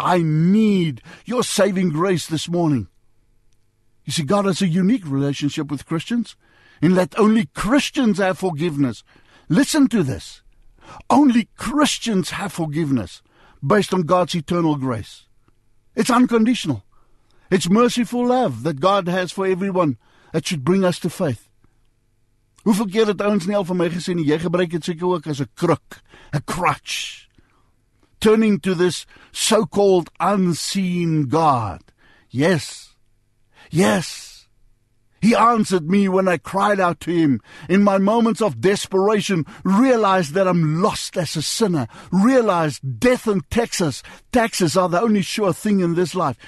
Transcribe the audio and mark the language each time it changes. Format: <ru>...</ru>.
<en>I need your saving grace this morning. You see, God has a unique relationship with Christians in that only Christians have forgiveness. Listen to this. Only Christians have forgiveness based on God's eternal grace. It's unconditional. It's merciful love that God has for everyone that should bring us to faith.</en> <af>Hoeveel keer het ouens nie al van my gesê nie, jy gebruik dit seker ook as 'n kruk, 'n crutch.</af> <en>Turning to this so-called unseen God. Yes. Yes. He answered me when I cried out to him. In my moments of desperation, realized that I'm lost as a sinner. Realized death and taxes are the only sure thing in this life.</en>